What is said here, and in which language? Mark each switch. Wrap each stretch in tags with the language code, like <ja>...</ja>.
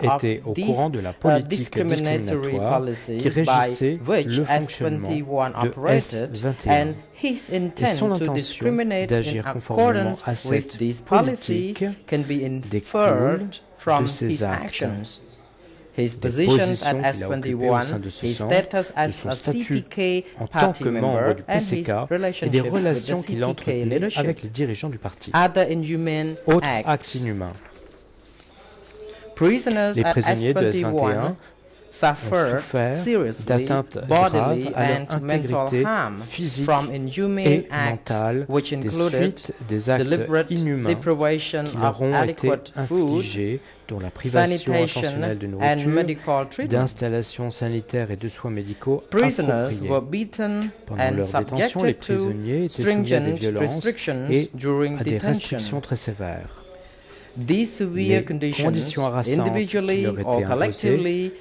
<fr>Duc était au courant de la politique discriminatoire qui régissait le fonctionnement de S21 et son intention d'agir conformément à cette politique découle de ses actes.</fr> <en>His positions at S21, his status as a CPK party member, and his relationships with the CPK leadership,</en> <fr>avec les dirigeants du parti.</fr> <en>Other inhumane acts. Prisoners at S21 suffer seriously bodily and mental harm from inhumane acts, which included deliberate deprivation of adequate food,</en> <fr>dont la privation intentionnelle de nourriture, d'installations sanitaires et de soins médicaux appropriés. Pendant leur détention, les prisonniers étaient soumis à des violences et à des restrictions très sévères.</fr> <en>These severe conditions, individually or collectively,</en>